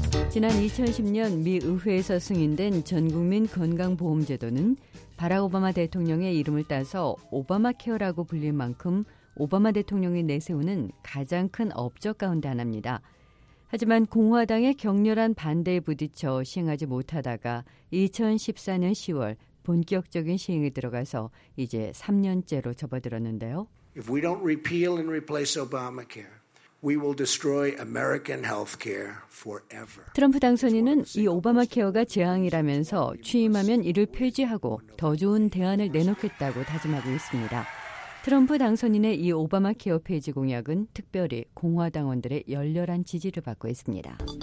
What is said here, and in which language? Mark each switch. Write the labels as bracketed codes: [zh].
[ko] 지난 2010년 미 의회에서 승인된 전국민 건강보험제도는 바락 오바마 대통령의 이름을 따서 오바마 케어라고 불릴 만큼 오바마 대통령이 내세우는 가장 큰 업적 가운데 하나입니다. 하지만 공화당의 격렬한 반대에 부딪혀 시행하지 못하다가 2014년 10월 본격적인 시행에 들어가서 이제 3년째로 접어들었는데요. [en] If we don't repeal and replace Obamacare, we will destroy American healthcare forever. [ko] 트럼프 당선인은 이 오바마 케어가 재앙이라면서 취임하면 이를 폐지하고 더 좋은 대안을 내놓겠다고 다짐하고 있습니다. 트럼프 당선인의 이 오바마 케어 폐지 공약은 특별히 공화당원들의 열렬한 지지를 받고 있습니다.